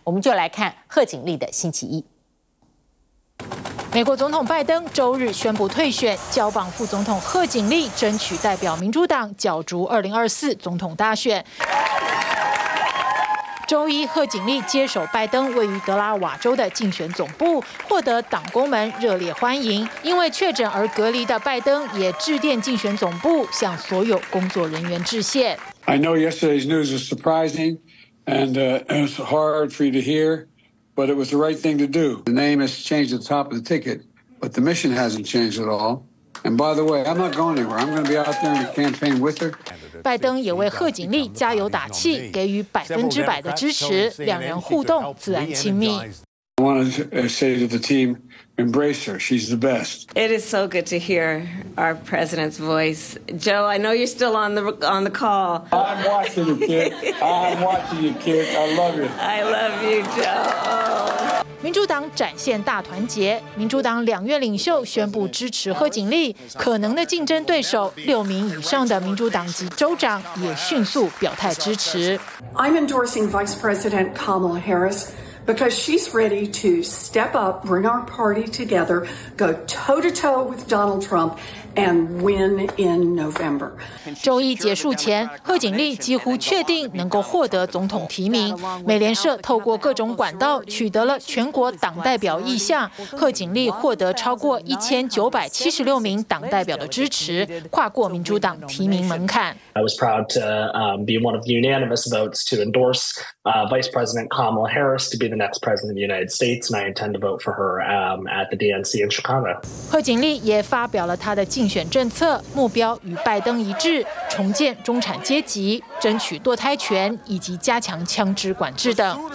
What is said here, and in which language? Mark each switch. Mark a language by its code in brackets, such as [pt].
[zh] 我们就来看贺锦丽的星期一。美国总统拜登周日宣布退选，交棒副总统贺锦丽争取代表民主党角逐2024总统大选。周一，贺锦丽接手拜登位于德拉瓦州的竞选总部，获得党工们热烈欢迎。因为确诊而隔离的拜登也致电竞选总部，向所有工作人员致谢。 [en] I know yesterday's news is surprising, and it's hard for you to hear. But it was the right thing to do. The name has changed at the top of the ticket, but the mission hasn't changed at all. And by the way, I'm not going anywhere. I'm going to be out there in the campaign with her. [zh] 拜登也为贺锦丽加油打气，给予100%的支持，两人互动自然亲密。 [en] I want to say to the team, embrace her. She's the best. It is so good to hear our president's voice. Joe, I know you're still on the call. I'm watching you, kid. I'm watching you, kid. I love you. I love you, Joe. [zh] 民主党展现大团结，民主党两院领袖宣布支持贺锦丽，可能的竞争对手6名以上的民主党籍州长也迅速表态支持。 [en] I'm endorsing Vice President Kamala Harris because she's ready to step up, bring our party together, go toe to toe with Donald Trump. And win in November. [zh] 周一结束前，贺锦丽几乎确定能够获得总统提名。美联社透过各种管道取得了全国党代表意向，贺锦丽获得超过1976名党代表的支持，跨过民主党提名门槛。 [en] I was proud to be one of the unanimous votes to endorse Vice President Kamala Harris to be the next president of the United States, and I intend to vote for her at the DNC in Chicago. [zh] 贺锦丽也发表了她的。竞选政策目标与拜登一致，重建中产阶级，争取堕胎权以及加强枪支管制等。